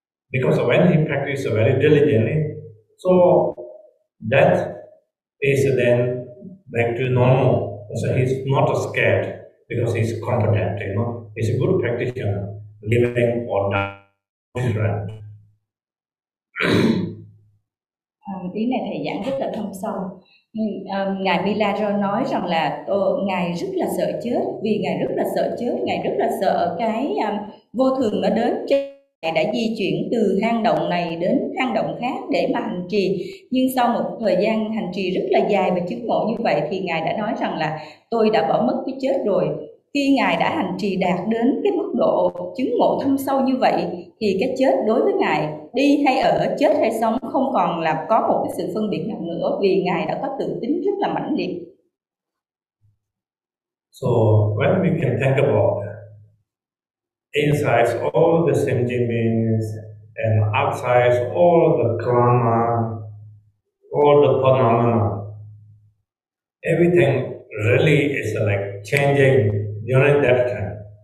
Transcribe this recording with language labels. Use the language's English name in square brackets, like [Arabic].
[English] Because when he practiced very diligently, so death is then back to normal. So he's not scared because he's competent, you know. He's a good practitioner, living or dying. [Vietnamese] Ý này thầy giảng rất là thâm sâu. Ngài Milagro nói rằng là ngài rất là sợ chết, vì ngài rất là sợ chết, ngài rất là sợ cái vô thường nó đến. Ngài đã di chuyển từ hang động này đến hang động khác để mà hành trì. Nhưng sau một thời gian hành trì rất là dài và chứng ngộ như vậy thì ngài đã nói rằng là tôi đã bỏ mất cái chết rồi. Khi ngài đã hành trì đạt đến cái mức độ chứng ngộ thâm sâu như vậy thì cái chết đối với ngài, đi hay ở, chết hay sống, không còn là có một cái sự phân biệt nào nữa, vì ngài đã có tự tính rất là mãnh liệt. [English] So when we can think about inside all the sentient beings and outside all the karma, all the phenomena, everything really is like changing during that time.